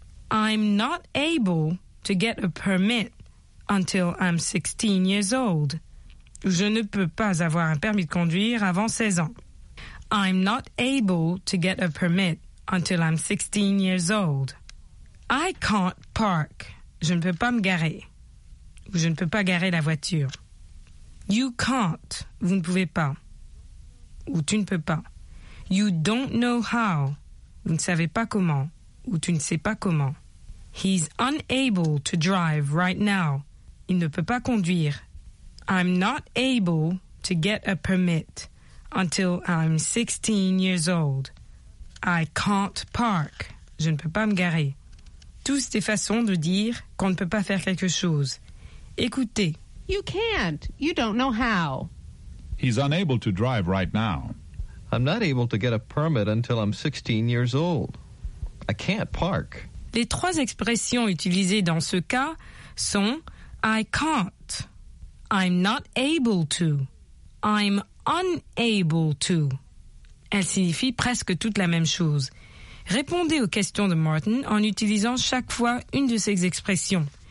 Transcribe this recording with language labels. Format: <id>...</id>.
<en>I'm not able to get a permit until I'm 16 years old.</en> <fr>Je ne peux pas avoir un permis de conduire avant 16 ans.</fr> <en>I'm not able to get a permit until I'm 16 years old. I can't park.</en> <fr>Je ne peux pas me garer. Ou je ne peux pas garer la voiture.</fr> <en>You can't.</en> <fr>Vous ne pouvez pas. Ou tu ne peux pas.</fr> <en>You don't know how.</en> <fr>Vous ne savez pas comment. Ou tu ne sais pas comment.</fr> <en>He's unable to drive right now.</en> <fr>Il ne peut pas conduire.</fr> <en>I'm not able to get a permit until I'm 16 years old. I can't park.</en> <fr>Je ne peux pas me garer. Toutes des façons de dire qu'on ne peut pas faire quelque chose. Écoutez.</fr> <en>You can't. You don't know how. He's unable to drive right now. I'm not able to get a permit until I'm 16 years old. I can't park.</en> <fr>Les trois expressions utilisées dans ce cas sont</fr> <en>I can't. I'm not able to. I'm unable to.</en> <fr>Elles signifient presque toutes la même chose. Répondez aux questions de Martin en utilisant chaque fois une de ces expressions.</fr>